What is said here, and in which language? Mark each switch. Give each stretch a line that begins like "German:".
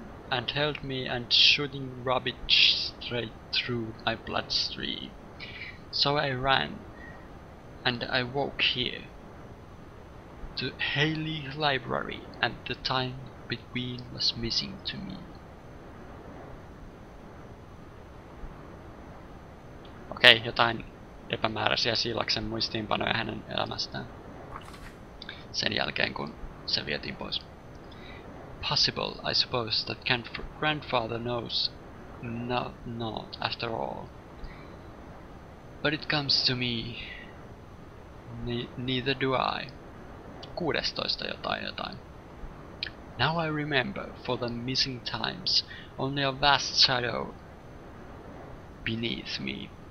English: And held me and shooting rubbish straight through my bloodstream. So I ran, and I woke here to Haley Library, and the time between was missing to me.
Finnish: Okei, jotain epämääräisiä Siilaksen muistiinpanoja hänen elämästään. Sen jälkeen, kun se vietiin pois.
English: Possible, I suppose, that grandfather knows not after all. But it comes to me, neither do I. 16
Finnish: jotain jotain.
English: Now I remember, for the missing times, only a vast shadow beneath me.